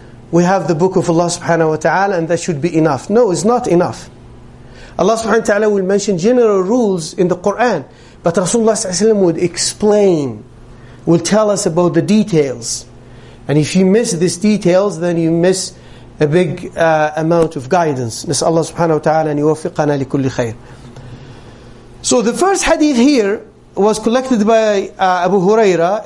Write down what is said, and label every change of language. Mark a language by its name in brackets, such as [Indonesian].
[English] we have the book of Allah subhanahu wa ta'ala and that should be enough. No, it's not enough. Allah subhanahu wa ta'ala will mention general rules in the Qur'an, but Rasulullah sallallahu alayhi wa sallam would explain, will tell us about the details. And if you miss these details, then you miss a big amount of guidance. [Arabic] نسأل الله سبحانه وتعالى أن يوفقنا لكل خير. [English] So the first hadith here was collected by Abu Huraira.